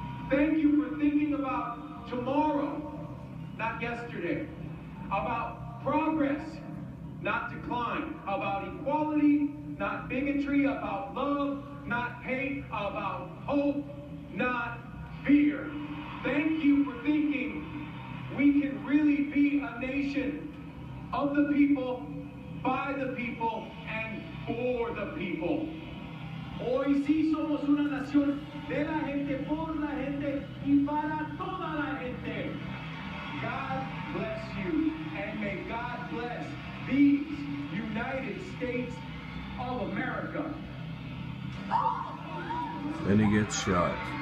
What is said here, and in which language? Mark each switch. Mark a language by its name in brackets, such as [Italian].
[English] Thank you for thinking about tomorrow, not yesterday, about progress, not decline, about equality, not bigotry, about love, not hate, about hope, not fear. Thank you for thinking we can really be a nation of the people, by the people, and for the people. [Spanish] Hoy sí somos una nación de la gente, por la gente, y para toda la gente. [English] God bless you, and may God bless these United States of America. And he gets shot.